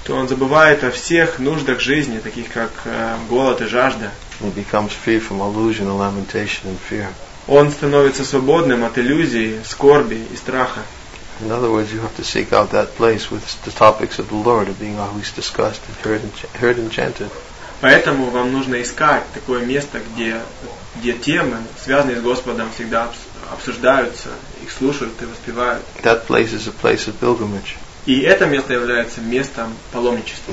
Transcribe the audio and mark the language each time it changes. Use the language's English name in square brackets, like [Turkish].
[Russian] То он забывает о всех нуждах жизни, таких как голод и жажда. [English] He becomes free from illusion, lamentation, and fear. [Russian] Он становится свободным от иллюзии, скорби и страха. [English] In other words, you have to seek out that place with the topics of the Lord are being always discussed and heard and chanted. [Russian] Поэтому вам нужно искать такое место, где темы, связанные с Господом, всегда обсуждаются, их слушают и воспевают. [English] That place is a place of pilgrimage. [Russian] И это место является местом паломничества.